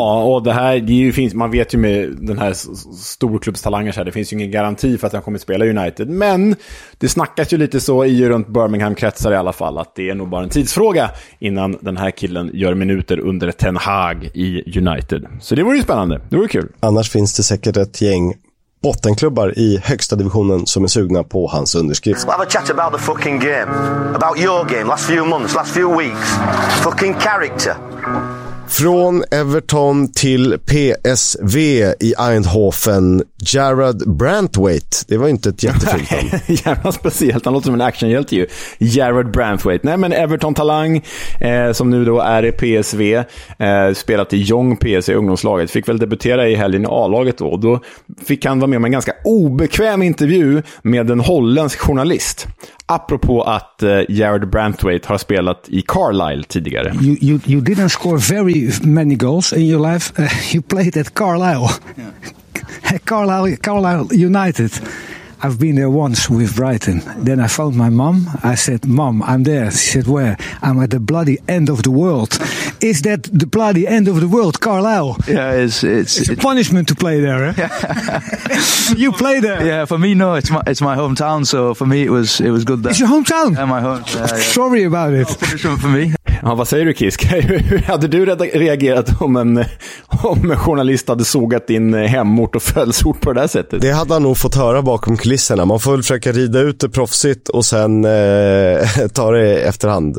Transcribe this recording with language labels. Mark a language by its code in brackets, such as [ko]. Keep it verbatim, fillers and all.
[sv] Ja, och det här det ju finns, man vet ju med den här storklubbstalanger så här, det finns ju ingen garanti för att han kommer att spela United, men det snackas ju lite så i runt Birmingham kretsar i alla fall att det är nog bara en tidsfråga innan den här killen gör minuter under Ten Hag i United. Så det vore ju spännande, det vore kul. Annars finns det säkert ett gäng bottenklubbar i högsta divisionen som är sugna på hans underskrift. [en] We'll have a chat about the fucking game. About your game, last few months, last few weeks. Fucking character. [sv] Från Everton till P S V i Eindhoven, Jarrod Brantwaite. Det var inte ett jättefint namn. Jävla speciellt, han låter som en actionhjälte ju. Jarrod Brantwaite. Nej, men Everton-talang eh, som nu då är i P S V. Eh, spelat i Jong P S V, ungdomslaget. Fick väl debutera i helgen i A-laget då. Då fick han vara med om en ganska obekväm intervju med en holländsk journalist. Apropå att eh, Jarrod Brantwaite har spelat i Carlisle tidigare. [en] You, you, you didn't score very many goals in your life. Uh, you played at Carlisle. Yeah. Carlisle, Carlisle United. I've been there once with Brighton. Then I phoned my mum. I said, "Mum, I'm there." She said, "Where?" "I'm at the bloody end of the world." Is that the bloody end of the world, Carlisle? Yeah, it's it's, it's a punishment to play there. Eh? You play there? Yeah, for me, no. It's my it's my hometown, so for me it was it was good there. It's your hometown. Yeah, my home. Yeah, yeah. Sorry about it. No punishment for me. [sv] Ja, vad säger du, Kisk? Hur hade du reagerat om en, om en journalist hade sågat din hemort och födelseort på det där sättet? Det hade han nog fått höra bakom kulisserna. Man får väl försöka rida ut det proffsigt och sen eh, ta det efterhand.